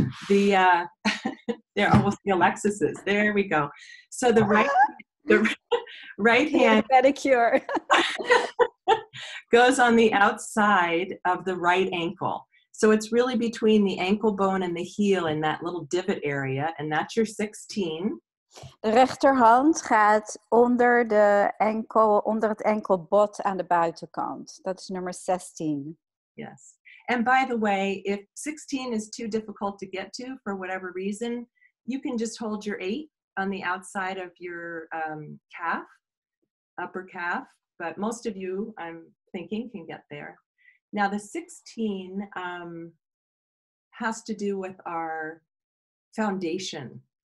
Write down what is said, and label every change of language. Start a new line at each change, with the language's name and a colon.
English: The, they're almost the Alexis's. There we go. So the right hand pedicure goes on the outside of the right ankle. So it's really between the ankle bone and the heel in that little divot area, and that's your 16.
Dutch: De rechterhand gaat onder de enkel, onder het enkelbot aan de buitenkant. Dat is nummer 16.
English: Yes. And by the way, if 16 is too difficult to get to for whatever reason, you can just hold your 8 on the outside of your calf, upper calf. But most of you, I'm thinking, can get there. Now the 16 has to do with our foundation.